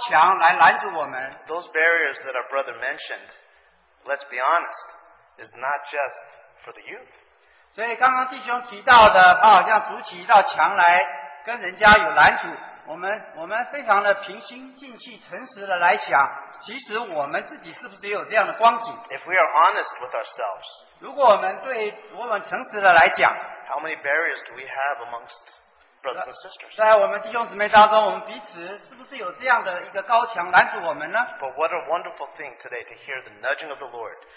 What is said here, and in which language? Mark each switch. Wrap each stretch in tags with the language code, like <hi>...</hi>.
<en>Those barriers that our brother mentioned, let's be honest, is not just for the youth.</en> <zh>所以刚刚弟兄提到的，他好像筑起一道墙来跟人家有拦阻。我们非常的平心静气、诚实的来想，其实我们自己是不是也有这样的光景？</zh> <en>If we are honest with ourselves,</en> <zh>如果我们诚实的来讲，</zh> <en>How many barriers do we have amongst brothers and sisters?</en> <zh>在我们弟兄姊妹当中，我们彼此是不是有这样的一个高墙拦阻我们呢？</zh> <en>But what a wonderful thing today to hear the nudging of the Lord.</en>